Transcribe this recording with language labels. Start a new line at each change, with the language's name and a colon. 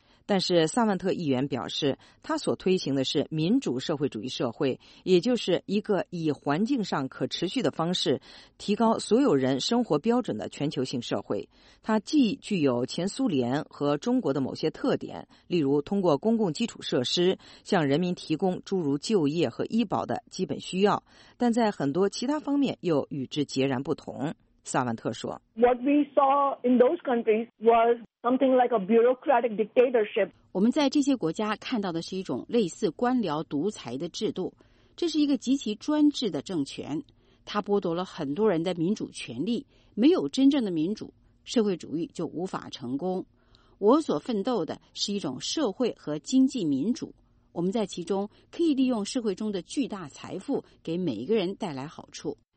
Chinese: 但是萨万特议员表示，他所推行的是民主社会主义社会，也就是一个以环境上可持续的方式提高所有人生活标准的全球性社会。它既具有前苏联和中国的某些特点，例如通过公共基础设施向人民提供诸如就业和医保的基本需要，但在很多其他方面又与之截然不同。萨万特说，
English: What we saw in those countries was something like a bureaucratic dictatorship.
Chinese: 我们在这些国家看到的是一种类似官僚独裁的制度，这是一个极其专制的政权，它剥夺了很多人的民主权利，没有真正的民主，社会主义就无法成功。我所奋斗的是一种社会和经济民主，我们在其中可以利用社会中的巨大财富给每一个人带来好处。